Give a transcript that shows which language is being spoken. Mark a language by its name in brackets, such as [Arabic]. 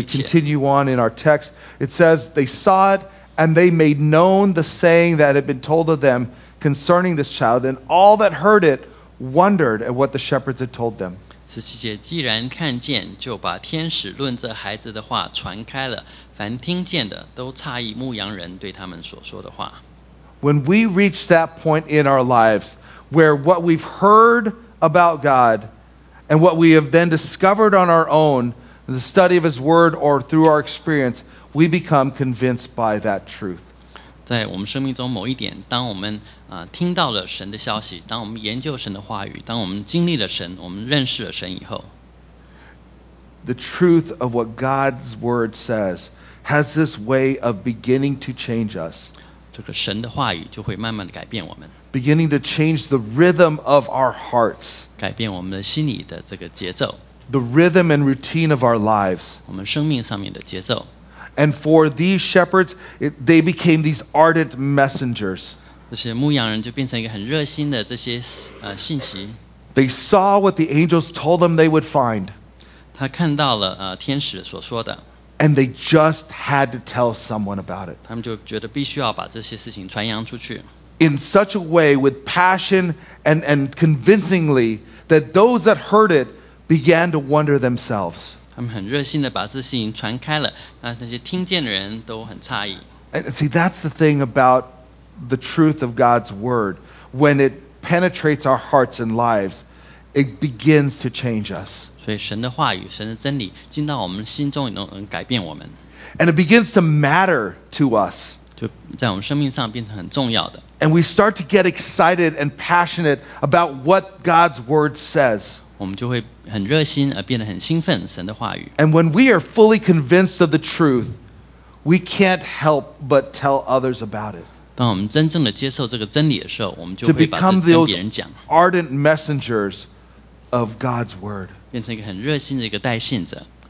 [English] As we continue on in our text, it says they saw it and they made known the saying that had been told of them concerning this child and all that heard it wondered at what the shepherds had told them. [Chinese] 十七节，既然看见，就把天使论这孩子的话传开了。凡听见的，都诧异牧羊人对他们所说的话。 [English] When we reach that point in our lives where what we've heard about God and what we have then discovered on our own, the study of His Word or through our experience, we become convinced by that truth. [Chinese] 在我们生命中某一点，当我们听到了神的消息，当我们研究神的话语，当我们经历了神，我们认识了神以后 [English] ，The truth of what God's word says has this way of beginning to change us. [Chinese] 这个神的话语就会慢慢的改变我们 [English] ，Beginning to change the rhythm of our hearts. [Chinese] 改变我们的心里的这个节奏 [English] ，The rhythm and routine of our lives. [Chinese] 我们生命上面的节奏。 [English] And for these shepherds, they became these ardent messengers. [Chinese] 这些牧羊人就变成一个很热心的这些信息。 [English] They saw what the angels told them they would find. [Chinese] 他看到了天使所说的。 [English] And they just had to tell someone about it. [Chinese] 他们就觉得必须要把这些事情传扬出去。 [English] In such a way, with passion and convincingly, that those that heard it began to wonder themselves. [Chinese] 他们很热心地把这事情传开了，那些听见的人都很诧异。 [English] And see, that's the thing about the truth of God's word. When it penetrates our hearts and lives, it begins to change us. [Chinese] 所以神的话语，神的真理进到我们心中，能改变我们。 [English] And it begins to matter to us. [Chinese] 就在我们生命上变成很重要的。 [English] And we start to get excited and passionate about what God's word says. [Chinese] 我们就会很热心而变得很兴奋神的话语 [English] And when we are fully convinced of the truth We can't help but tell others about it [Chinese] 当我们真正的接受这个真理的时候我们就会把这跟别人讲 [English] To become those ardent messengers of God's word [Chinese] 变成一个很热心的一个带信者